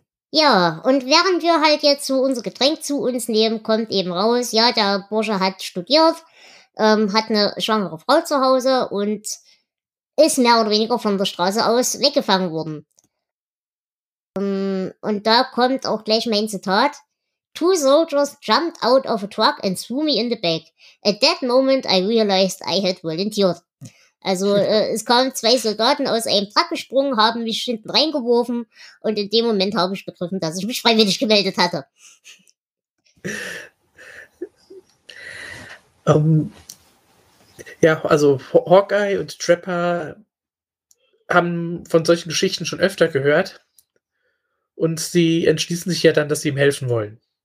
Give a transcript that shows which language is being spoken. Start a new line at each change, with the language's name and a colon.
German: Ja, und während wir halt jetzt so unser Getränk zu uns nehmen, kommt eben raus, ja, der Bursche hat studiert. Hat eine schwangere Frau zu Hause und ist mehr oder weniger von der Straße aus weggefangen worden. Und da kommt auch gleich mein Zitat.
English: Two soldiers jumped out of a truck and threw me in the back. At that moment I realized I had volunteered.
German: Also es kamen zwei Soldaten aus einem Truck gesprungen, haben mich hinten reingeworfen und in dem Moment habe ich begriffen, dass ich mich freiwillig gemeldet hatte. Um, Ja, also Hawkeye und Trapper haben von solchen Geschichten schon öfter gehört und sie entschließen sich ja dann, dass sie ihm helfen wollen.